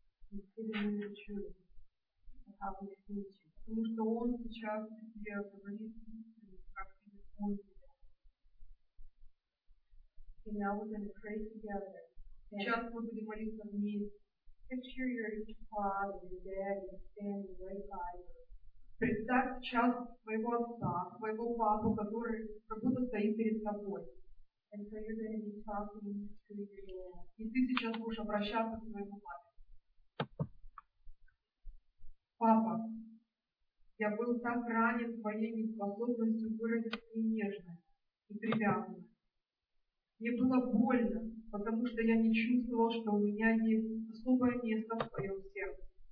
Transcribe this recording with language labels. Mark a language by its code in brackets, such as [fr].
[en] He's giving you the truth of how he sees you. [ru] Потому что он сейчас тебе говорит истину, как тебе он тебя. [en] Okay, now we're going to pray together. [ru] Сейчас мы будем молиться вместе. [en] Picture your father, your daddy, standing right by you. [ru] Представь сейчас своего отца, своего папу, который как будто стоит перед тобой. [en] And so you're going to be talking to your dad. [ru] И ты сейчас будешь обращаться к своему папе. Папа. Я был так ранен твоей неспособностью выразить свою нежность и привязанность. Мне было больно, потому что я не чувствовал, что у меня есть особое место в твоем сердце.